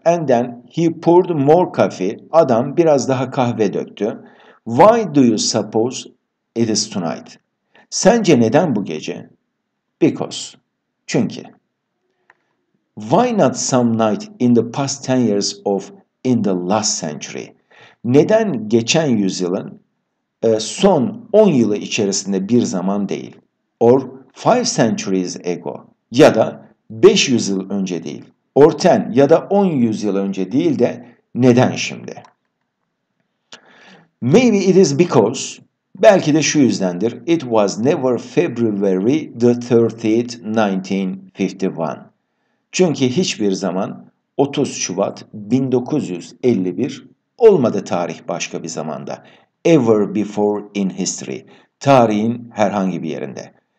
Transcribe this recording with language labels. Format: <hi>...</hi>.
<en>And then he poured more coffee,</en> <tr>adam biraz daha kahve döktü.</tr> <en>Why do you suppose it is tonight?</en> <tr>Sence neden bu gece?</tr> <en>Because.</en> <tr>Çünkü.</tr> <en>Why not some night in the past 10 years of in the last century?</en> <tr>Neden geçen yüzyılın son 10 yılı içerisinde bir zaman değil?</tr> <en>Or 5 centuries ago,</en> <tr>ya da 5 yüzyıl önce değil?</tr> <en>Or 10,</en> <tr>ya da 10 yüzyıl önce değil de neden şimdi?</tr> <en>Maybe it is because,</en> <tr>belki de şu yüzdendir,</tr> <en>it was never February the 30th, 1951.</en> <tr>Çünkü hiçbir zaman 30 Şubat 1951 olmadı tarih başka bir zamanda.</tr> <en>Ever before in history,</en> <tr>tarihin herhangi bir yerinde.</tr>